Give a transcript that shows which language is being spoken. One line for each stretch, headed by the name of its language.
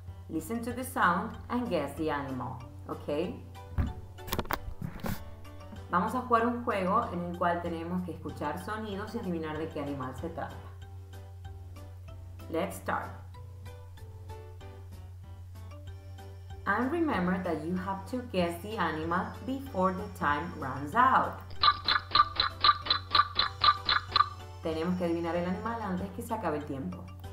English: Listen to the sound and guess the animal, ok?
Spanish: Vamos a jugar un juego en el cual tenemos que escuchar sonidos y adivinar de qué animal se trata.
English: Let's start. And remember that you have to guess the animal before the time runs out.
Spanish: Tenemos que adivinar el animal antes que se acabe el tiempo.